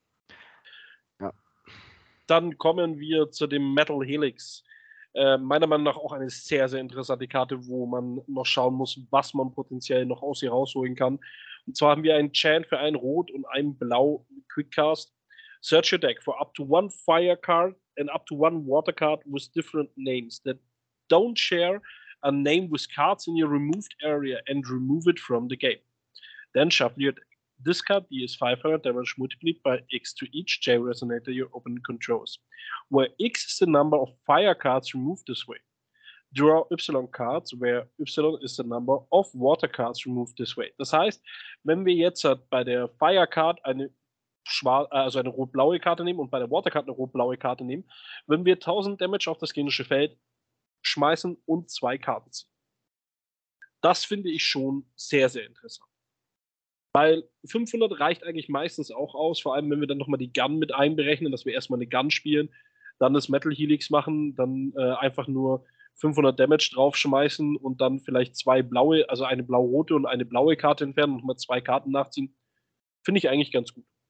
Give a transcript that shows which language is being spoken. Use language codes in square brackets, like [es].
[de] Ja. Dann kommen wir zu dem Metal Helix. Meiner Meinung nach auch eine sehr, sehr interessante Karte, wo man noch schauen muss, was man potenziell noch aus ihr rausholen kann. Und zwar haben wir einen Chant für ein Rot und ein Blau Quickcast. [en] Search your deck for up to one Fire Card and up to one Water Card with different names. That don't share a name with cards in your removed area and remove it from the game. Then shuffle your deck. This card deals 500 damage multiplied by X to each J resonator your opponent controls, where X is the number of fire cards removed this way. Draw Y cards, where Y is the number of water cards removed this way. [de] Das heißt, wenn wir jetzt bei der Fire Card eine rot-blaue Karte nehmen und bei der Water Card eine rot-blaue Karte nehmen, wenn wir 1000 Damage auf das generische Feld schmeißen und zwei Karten ziehen. Das finde ich schon sehr, sehr interessant. Weil 500 reicht eigentlich meistens auch aus, vor allem wenn wir dann nochmal die Gun mit einberechnen, dass wir erstmal eine Gun spielen, dann das Metal Helix machen, dann einfach nur 500 Damage draufschmeißen und dann vielleicht zwei blaue, also eine blau-rote und eine blaue Karte entfernen und nochmal zwei Karten nachziehen. Finde ich eigentlich ganz gut.